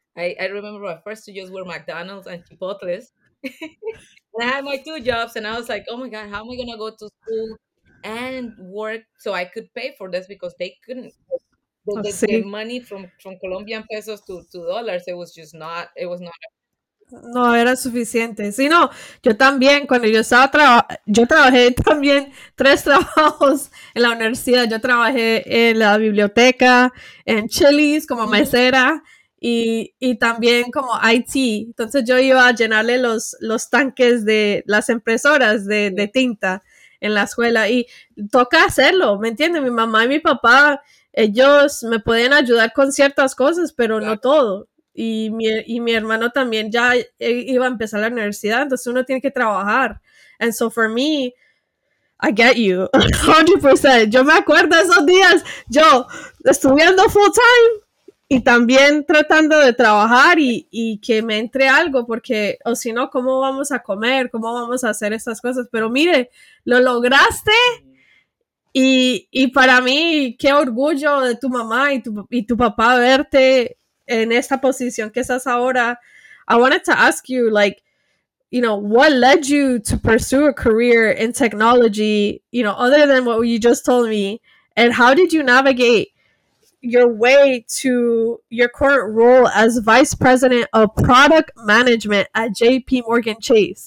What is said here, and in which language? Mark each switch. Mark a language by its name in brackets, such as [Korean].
[English] I remember my first two jobs were McDonald's and Chipotle's. And I had my two jobs, and I was like, oh my god, how am I gonna go to school and work so I could pay for this, because they couldn't. The money from Colombian pesos to dollars, it was not. [Spanish] No, era suficiente. Sí, no, yo también, cuando yo estaba trabajando, yo trabajé también tres trabajos en la universidad. Yo trabajé en la biblioteca, en Chili's como mesera, y también como IT. Entonces yo iba a llenarle los tanques de las impresoras de tinta en la escuela, y toca hacerlo, ¿me entiendes? Mi mamá y mi papá, ellos me pueden ayudar con ciertas cosas, pero claro, no todo. Y mi hermano también ya iba a empezar la universidad, entonces uno tiene que trabajar. [English] And so for me, I get you, 100%. [Spanish] Yo me acuerdo esos días, yo estudiando full time y también tratando de trabajar y que me entre algo, porque o si no, ¿cómo vamos a comer? ¿Cómo vamos a hacer esas cosas? Pero mire, lo lograste. Y para mí, qué orgullo de tu mamá y tu papá verte en esta posición que estás ahora. [English] I wanted to ask you, like, you know, what led you to pursue a career in technology, you know, other than what you just told me, and how did you navigate your way to your current role as vice president of product management at JP Morgan Chase?